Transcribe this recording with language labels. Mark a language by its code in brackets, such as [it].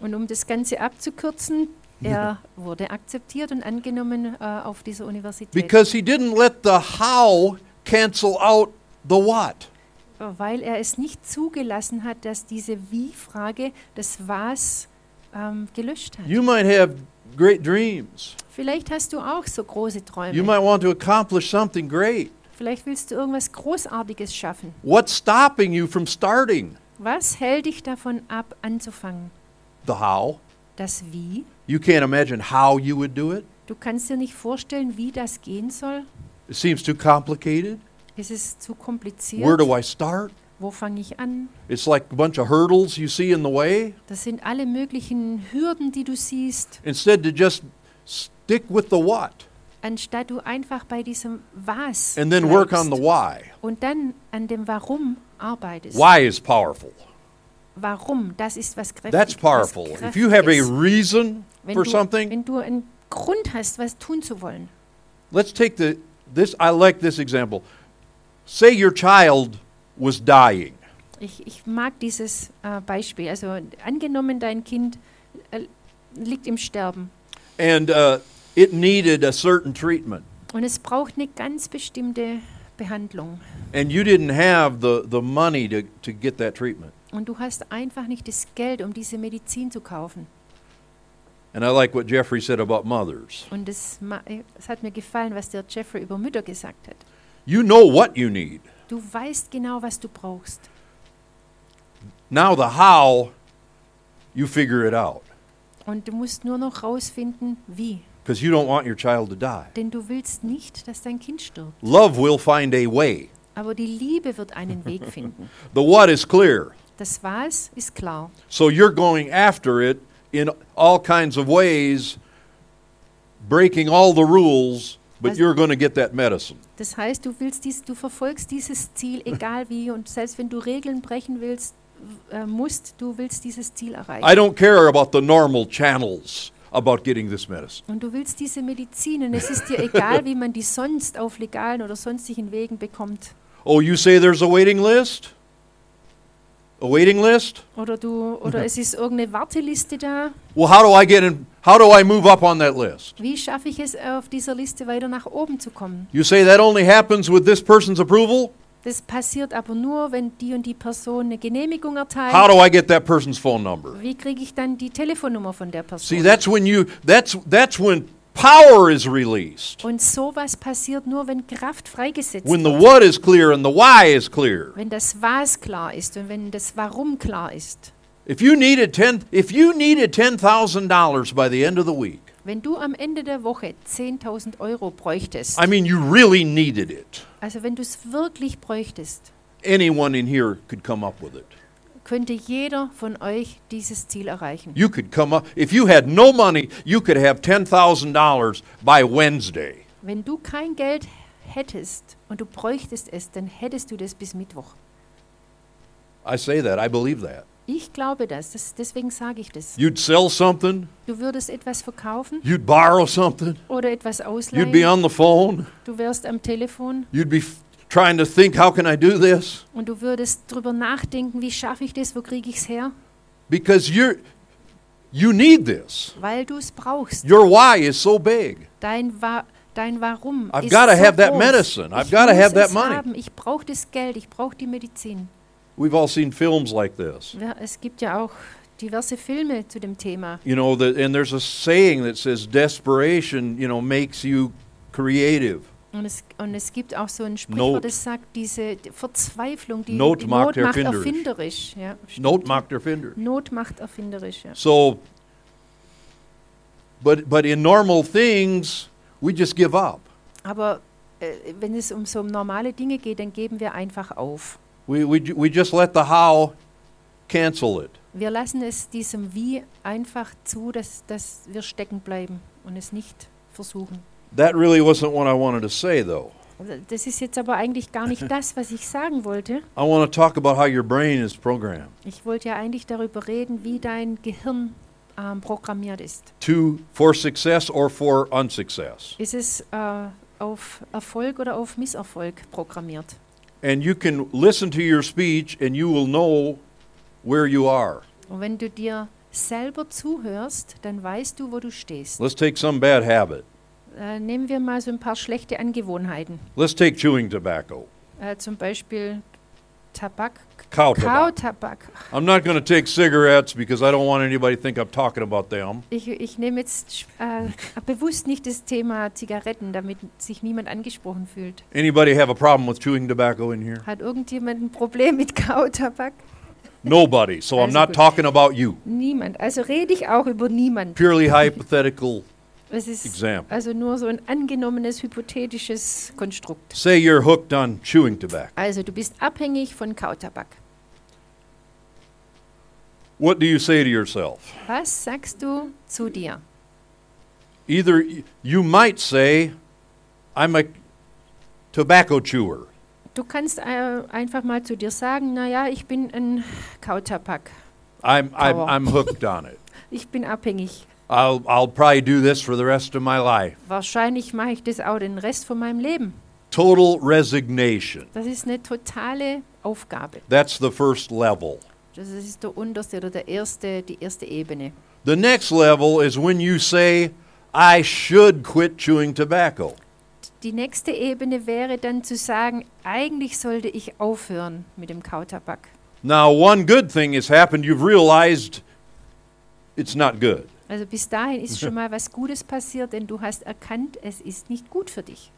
[de] Und um das Ganze abzukürzen, er wurde akzeptiert und angenommen auf dieser Universität. [en] Because he didn't let the how cancel out the what. [de] Weil er es nicht zugelassen hat, dass diese Wie-Frage das Was gelöscht hat. [en] You might have great dreams. [de] Vielleicht hast du auch so große Träume. [en] You might want to accomplish something great. [de] Vielleicht willst du irgendwas Großartiges schaffen. [en] What's stopping you from starting? [de] Was hält dich davon ab, anzufangen? [en] The how. [de] Das Wie. [en] You can't imagine how you would do it. [de] Du kannst dir nicht vorstellen, wie das gehen soll. [en] It seems too complicated. [de] Es ist zu kompliziert. [en] Where do I start? [de] Wo fange ich an? [en] It's like a bunch of hurdles you see in the way. [de] Das sind alle möglichen Hürden, die du siehst. [en] Instead to just stick with the what. [de] Anstatt du einfach bei diesem Was [en] and then work on the why. [de] Und dann an dem Warum arbeitest. [en] Why is powerful. [de] Warum, das ist was kräftig. [en] That's powerful. [de] Was kräftig [en] if you have a reason for something. [de] Wenn du einen Grund hast, was tun zu wollen. [en] Let's take this, I like this example. Say your child was dying. [de] Ich mag dieses Beispiel. Also angenommen, dein Kind liegt im Sterben. [en] And it needed a certain treatment. [de] Und es braucht eine ganz bestimmte Behandlung. [en] And you didn't have the money to get that treatment. [de] Und du hast einfach nicht das Geld, um diese Medizin zu kaufen. [en] And I like what Jeffrey said about mothers. [de] Und es hat mir gefallen, was der Jeffrey über Mütter gesagt hat. [en] You know what you need. [de] Du weißt genau, was du brauchst. [en] Now the how, you figure it out. [de] Und du musst nur noch rausfinden, wie. [en] Because you don't want your child to die. [de] Denn du willst nicht, dass dein Kind stirbt. [en] Love will find a way. [de] Aber die Liebe wird einen Weg finden. [en] The what is clear. [de] Das Was ist klar. [en] So you're going after it in all kinds of ways, breaking all the rules, but you're going to get that medicine. [de] Das heißt, du verfolgst dieses Ziel, egal wie, und selbst wenn du Regeln brechen willst, musst, du willst dieses Ziel erreichen. [en] I don't care about the normal channels about getting this medicine. [de] Und du willst diese Medizin, und es ist dir egal, wie man die sonst auf legalen oder sonstigen Wegen bekommt. [en] Oh, you say there's a waiting list? A waiting list? [de] Oder es ist irgendeine Warteliste da? [en] Well, how do I get in? How do I move up on that list? [de] Wie schaffe ich es, auf dieser Liste weiter nach oben zu kommen? [en] You say that only happens with this person's approval? [de] Das passiert aber nur, wenn die und die Person eine Genehmigung erteilt. [en] How do I get that person's phone number? [de] Wie kriege ich dann die Telefonnummer von der Person? [en] See, that's when power is released. [de] Und sowas passiert nur, wenn Kraft freigesetzt wird. [en] When the what is clear and the why is clear. [de] Wenn das Was klar ist und wenn das Warum klar ist. [en] If you needed $10,000 by the end of the week. [de] Wenn du am Ende der Woche 10.000 Euro bräuchtest. [en] I mean, you really needed it. [de] Also wenn du es wirklich bräuchtest. [en] Anyone in here could come up with it. [de] Könnte jeder von euch dieses Ziel erreichen. [en] You could come up, if you had no money, you could have $10,000 by Wednesday. [de] Wenn du kein Geld hättest und du bräuchtest es, dann hättest du das bis Mittwoch. [en] I say that, I believe that. [de] Ich glaube das, deswegen sage ich das. [en] You'd sell something. [de] Du würdest etwas verkaufen. [en] You'd borrow something. [de] Oder etwas ausleihen. [en] You'd be on the phone. [de] Du wärst am Telefon. [en] You'd be trying to think, how can I do this? [de] Und du würdest drüber nachdenken, wie schaffe ich das, wo kriege ich es her? [en] Because you need this. [de] Weil du es brauchst. [en] Your why is so big. [de] Dein Warum ist so groß. [en] I've got to have that medicine. I've got to have that money. [de] Ich brauche das Geld, ich brauche die Medizin. [en] We've all seen films like this. [de] Ja, es gibt ja auch diverse Filme zu dem Thema. [en] You know, and there's a saying that says desperation, you know, makes you creative. [de] Und es gibt auch so ein Sprichwort, das sagt, diese Verzweiflung, die Not macht erfinderisch. Ja, Not macht erfinderisch. Not macht erfinderisch, ja. [en] So, but in normal things, we just give up. [de] Aber wenn es um so normale Dinge geht, dann geben wir einfach auf. [en] We just let the how cancel it. [de] Wir lassen es diesem Wie einfach zu, dass wir stecken bleiben und es nicht versuchen. [en] That really wasn't what I wanted to say, though. [de] Das ist jetzt aber eigentlich gar nicht das, was ich sagen wollte. [en] I want to talk about how your brain is programmed. [de] Ich wollte ja eigentlich darüber reden, wie dein Gehirn programmiert ist. [en] For success or for unsuccess. [de] Ist es auf Erfolg oder auf Misserfolg programmiert? [en] And you can listen to your speech and you will know where you are. [de] Und wenn du dir selber zuhörst, dann weißt du, wo du stehst. [en] Let's take some bad habit. [de] Nehmen wir mal so ein paar schlechte Angewohnheiten. [en] Let's take chewing tobacco. [de] Zum Beispiel Tabak. Kautabak. [en] I'm not going to take cigarettes because I don't want anybody to think I'm talking about them. [de] Ich nehme jetzt bewusst nicht das Thema Zigaretten, damit sich niemand angesprochen fühlt. [en] Anybody have a problem with chewing tobacco in here? [de] Hat irgendjemand ein Problem mit Kautabak? [en] Nobody. So also I'm not talking about you. [de] Niemand. Also rede ich auch über niemanden. [en] Purely hypothetical. [de] Es ist example. Also nur so ein angenommenes, hypothetisches Konstrukt. [en] Say you're hooked on chewing tobacco. [de] Also du bist abhängig von Kautabak. [en] What do you say to yourself? [de] Was sagst du zu dir? [en] Either you might say, I'm a tobacco chewer. [de] Du kannst einfach mal zu dir sagen, naja, ich bin ein Kautabak. [en] I'm hooked on it. [de] Ich bin abhängig. [en] I'll probably do this for the rest of my life. [de] Wahrscheinlich mache ich das auch den Rest von meinem Leben. [en] Total resignation. [de] Das ist eine totale Aufgabe. [en] That's the first level. [de] Das ist der unterste oder der erste, die erste Ebene. [en] The next level is when you say, I should quit chewing tobacco. [de] Die nächste Ebene wäre dann zu sagen, eigentlich sollte ich aufhören mit dem Kautabak. [en] Now one good thing has happened. You've realized it's not good. [de] Also bis dahin ist schon mal was Gutes passiert, denn du hast erkannt, es ist nicht gut für dich.